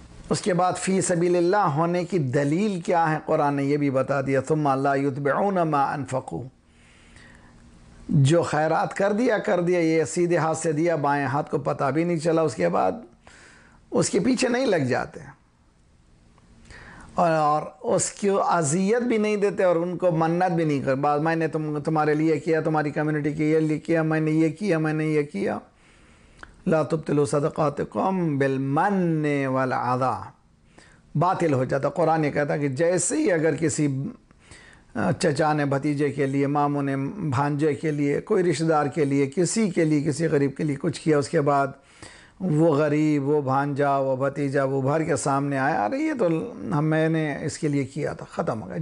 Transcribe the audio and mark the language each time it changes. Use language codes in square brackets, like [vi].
[ur] اس کے بعد فی سبیل اللہ ہونے کی دلیل کیا ہے؟ قرآن نے یہ بھی بتا دیا، [ar] ثم لا یتبعون ما انفقوا، [ur] جو خیرات کر دیا کر دیا، یہ سیدھے ہاتھ سے دیا، بائیں ہاتھ کو پتہ بھی نہیں چلا، اس کے بعد اس کے پیچھے نہیں لگ جاتے اور اس کو اذیت بھی نہیں دیتے اور ان کو منت بھی نہیں کر، بعض میں نے تمہارے لیے کیا، تمہاری کمیونٹی کے لیے کیا، میں نے یہ کیا، میں نے یہ کیا. [ar] لا تبطلوا صدقاتکم بالمن والعذا، [ur] باطل ہو جاتا. قرآن یہ کہتا کہ جیسے ہی اگر کسی چچا نے بھتیجے کے لیے، ماموں نے بھانجے کے لیے، کوئی رشتہ دار کے لیے، کسی کے لیے، کسی غریب کے لیے کچھ کیا، اس کے بعد وہ غریب، وہ بھانجا، وہ بھتیجا، وہ بھر کے سامنے آیا، ارے یہ تو ہم میں نے اس کے لیے کیا تھا، ختم ہو گیا.